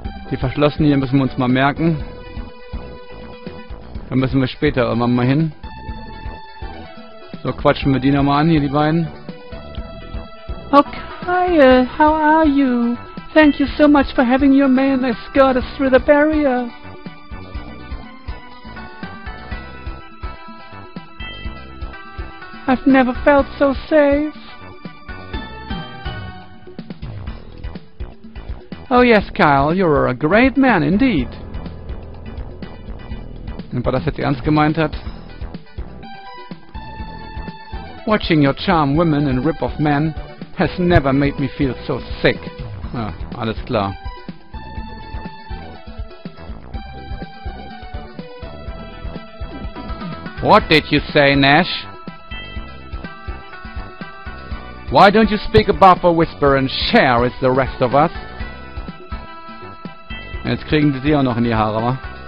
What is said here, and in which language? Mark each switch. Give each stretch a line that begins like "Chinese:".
German: Die verschlossene hier müssen wir uns mal merken. Da müssen wir später irgendwann mal hin. So, quatschen wir die nochmal an, hier, die beiden.
English: Oh, Kyle, how are you? Thank you so much for having your man escort us through the barrier. I've never felt so safe. Oh yes, Kyle, you're a great man indeed.
German: Ob er das jetzt ernst gemeint hat?
English: Watching your charm women and rip off men has never made me feel so sick.
German: Ja, alles klar.
English: What did you say, Nash? Why don't you speak above a whisper and share with the rest of us?
German: Jetzt kriegen sie auch noch in die Haare, wa?